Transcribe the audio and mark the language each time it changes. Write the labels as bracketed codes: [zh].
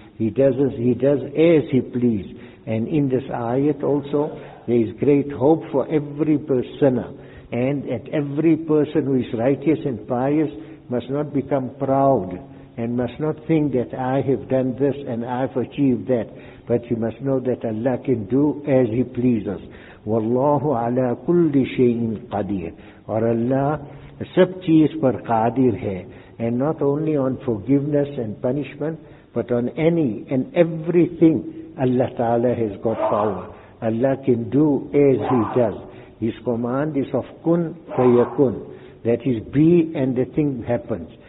[en] He does as he pleases. And in this ayat also, there is great hope for every sinner. And that every person who is righteous and pious must not become proud, and must not think that I have done this and I have achieved that. But you must know that Allah can do as he pleases. [ar] وَاللَّهُ عَلَىٰ كُلِّ شَيْءٍ قَدِيرٍ. [en] Or [ur] Allah, سب چیز پر قادر ہے. [en] And not only on forgiveness and punishment, but on any and everything, Allah Ta'ala has got power. Allah can do as he does. His command is of kun fayakun, that is be and the thing happens.